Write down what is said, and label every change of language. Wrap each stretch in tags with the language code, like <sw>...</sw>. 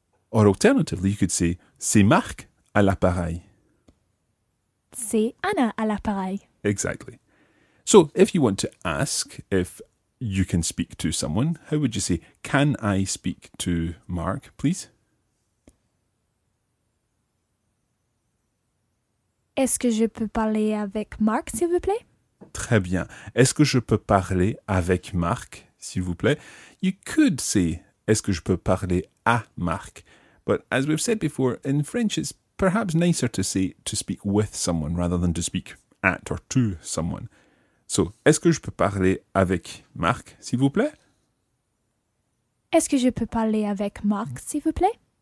<en>Or alternatively, you could say,</en> <fr>c'est Marc à l'appareil. C'est Anna à l'appareil.</fr> <en>Exactly. So, if you want to ask if you can speak to someone, how would you say, can I speak to Mark, please?</en> <fr>Est-ce que je peux parler avec Mark, s'il vous plaît? Très bien. Est-ce que je peux parler avec Mark, s'il vous plaît?</fr> <en>You could say,</en> <fr>est-ce que je peux parler à Mark?</fr> <en>But as we've said before, in French, it's perhaps nicer to say to speak with someone rather than to speak at or to someone.</en> <fr>So, est-ce que je peux parler avec Marc, s'il vous plaît? Est-ce que je peux parler avec Marc, s'il vous plaît?</fr>